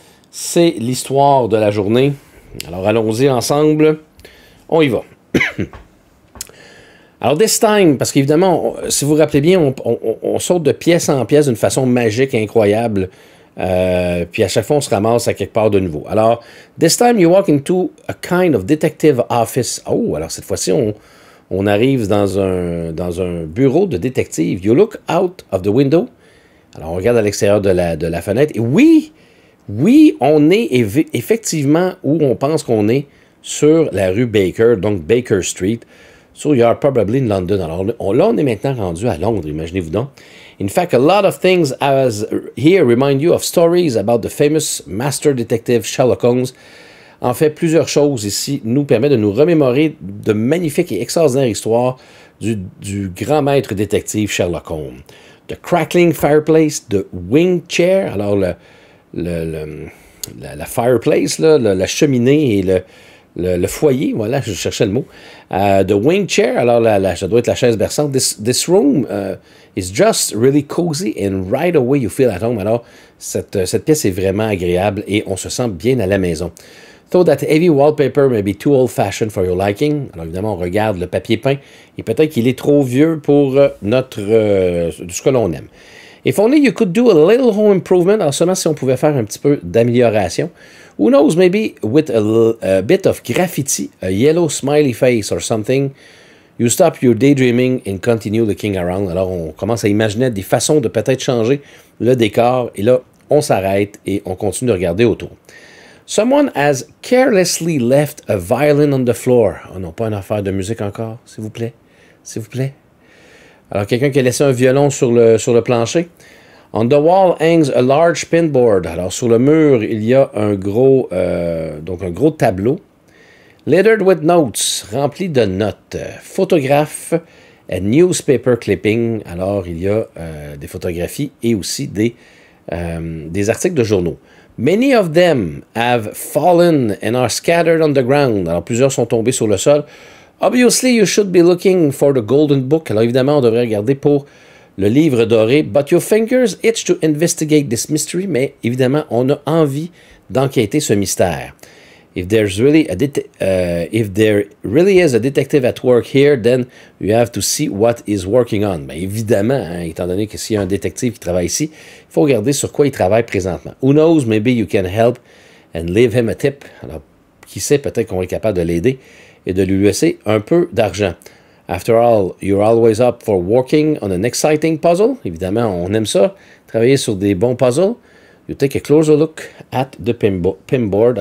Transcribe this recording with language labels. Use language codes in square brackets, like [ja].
[fr] C'est l'histoire de la journée. Alors, allons-y ensemble. On y va. Alors, [en] this time, [fr] parce qu'évidemment, si vous vous rappelez bien, on saute de pièce en pièce d'une façon magique, incroyable. Puis à chaque fois, on se ramasse à quelque part de nouveau. [en] Alors, this time, you walk into a kind of detective office. [fr] Oh, alors cette fois-ci, on arrive dans un bureau de détective. [en] You look out of the window. [fr] Alors, on regarde à l'extérieur de la fenêtre. Et oui, on est effectivement où on pense qu'on est, sur la rue Baker, donc Baker Street. [en] So you are probably in London. [fr] Alors, là, on est maintenant rendu à Londres, imaginez-vous donc. [en] In fact, a lot of things as here remind you of stories about the famous master detective Sherlock Holmes. [fr] En fait, plusieurs choses ici nous permettent de nous remémorer de magnifiques et extraordinaires histoires du grand maître détective Sherlock Holmes. [en] The crackling fireplace, the wing chair, [fr] alors la fireplace, là, la cheminée et le foyer, voilà, je cherchais le mot. [en] The wing chair, [fr] alors ça doit être la chaise berçante. [en] This room is just really cozy and right away you feel at home. [fr] Alors, cette pièce est vraiment agréable et on se sent bien à la maison. [en] Though that heavy wallpaper may be too old-fashioned for your liking. [fr] Alors évidemment, on regarde le papier peint et peut-être qu'il est trop vieux pour ce que l'on aime. [en] If only you could do a little home improvement. [fr] Alors seulement si on pouvait faire un petit peu d'amélioration. [en] Who knows, maybe with a bit of graffiti, a yellow smiley face or something, you stop your daydreaming and continue looking around. [fr] Alors on commence à imaginer des façons de peut-être changer le décor et là, on s'arrête et on continue de regarder autour. [en] Someone has carelessly left a violin on the floor. [fr] Oh non, pas une affaire de musique encore, s'il vous plaît. S'il vous plaît. Alors, quelqu'un qui a laissé un violon sur le plancher. [en] On the wall hangs a large pinboard. [fr] Alors, sur le mur, il y a un gros tableau. [en] Littered with notes, [fr] rempli de notes. Photographes et [en] newspaper clipping. [fr] Alors, il y a des photographies et aussi des articles de journaux. [en] Many of them have fallen and are scattered on the ground. [fr] Alors, plusieurs sont tombés sur le sol. [en] Obviously, you should be looking for the golden book. [fr] Alors, évidemment, on devrait regarder pour le livre doré. [en] But your fingers itch to investigate this mystery. [fr] Mais évidemment, on a envie d'enquêter ce mystère. [en] If there really is a detective at work here, then you have to see what is working on. [fr] Bien évidemment, hein, étant donné que s'il y a un détective qui travaille ici, il faut regarder sur quoi il travaille présentement. [en] Who knows, maybe you can help and leave him a tip. [fr] Alors, qui sait, peut-être qu'on est capable de l'aider et de lui laisser un peu d'argent. [en] After all, you're always up for working on an exciting puzzle. [fr] Évidemment, on aime ça, travailler sur des bons puzzles. [en] You take a closer look at the pinboard.